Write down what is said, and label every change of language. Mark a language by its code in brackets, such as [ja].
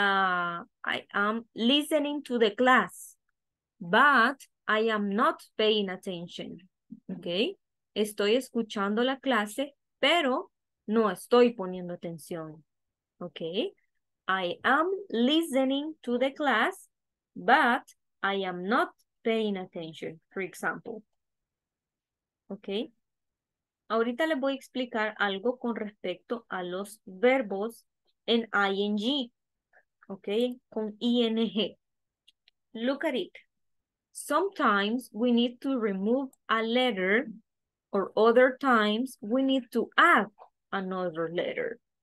[en] I am listening to the class, but I am not paying attention. Okay? [es] Estoy escuchando la clase, pero no estoy poniendo atención. [en] Okay? I am listening to the class, but I am not paying attention, for example. Okay. [es] Ahorita les voy a explicar algo con respecto a los verbos en ing, ok, con ing. [en] Look at it. Sometimes we need to remove a letter, or other times we need to add another letter.